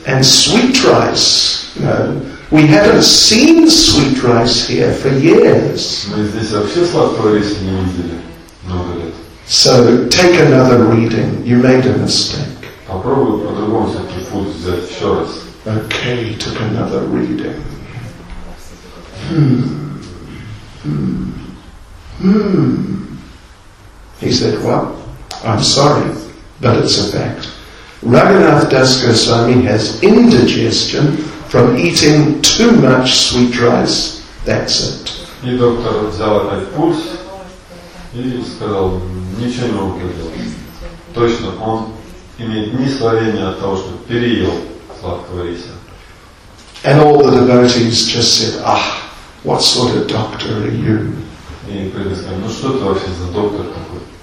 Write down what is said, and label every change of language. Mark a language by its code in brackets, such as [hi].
[en] And sweet rice, you know, we haven't seen sweet rice here for years. [ru] Мы здесь вообще сладкого риса не видели много лет. [en] So take another reading. You made a mistake. [ru] Попробуй по-другому все-таки пульс взять еще раз. [en] Okay, took another reading. He said, well, I'm sorry, but it's a fact. Raghunath Das Goswami has indigestion from eating too much sweet rice. That's it. [ru] И доктор взял опять пульс и сказал, ничего не могу делать. Точно, он имеет несварение от того, что переел сладкого риса. [en] And all the devotees just said, ah, what sort of doctor are you? [ru] И преданные сказали, ну что ты вообще за доктор такой?